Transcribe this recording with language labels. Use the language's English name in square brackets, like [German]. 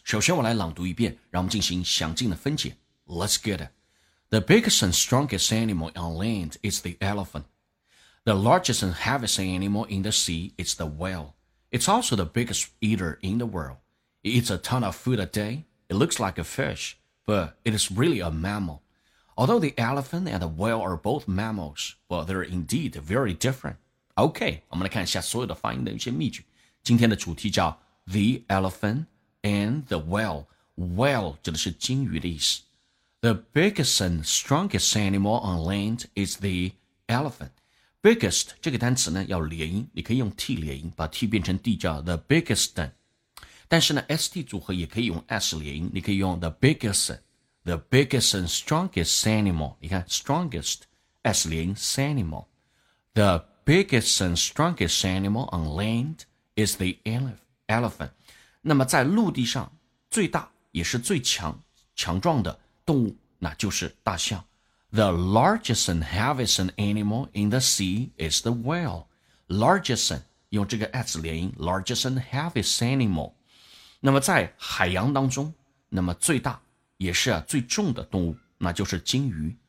[Chinese] 首先我来朗读一遍，让我们进行详尽的分解。 [English] Let's get it. The biggest and strongest animal on land is the elephant. The largest and heaviest animal in the sea is the whale. It's also the biggest eater in the world. It eats a ton of food a day. It looks like a fish, but it is really a mammal. Although the elephant and the whale are both mammals, well, they're indeed very different. [Chinese] Okay, 我们来看一下所有的发音的一些秘诀。今天的主题叫 [English] The Elephant and the Whale. [Chinese] Whale 指的是鲸鱼的意思。 [English] The biggest and strongest animal on land is the elephant. [Chinese] Biggest 这个单词呢要连音，你可以用 T 连音，把 T 变成 D 叫 [English] the biggest. [Chinese] 但是呢 ,ST 组合也可以用 S 连音，你可以用 [English] the biggest. The biggest and strongest animal. [Chinese] 你看 [English] strongest, S 连音 animal. The biggest and strongest animal on landIs the elephant. [Chinese] 那么在陆地上最大也是最强壮的动物那就是大象。 [English] The largest and heaviest animal in the sea is the whale. Largest, [Chinese] 用这个 S 连音 [English] largest and heaviest animal. [Chinese] 那么在海洋当中那么最大也是最重的动物那就是鲸鱼。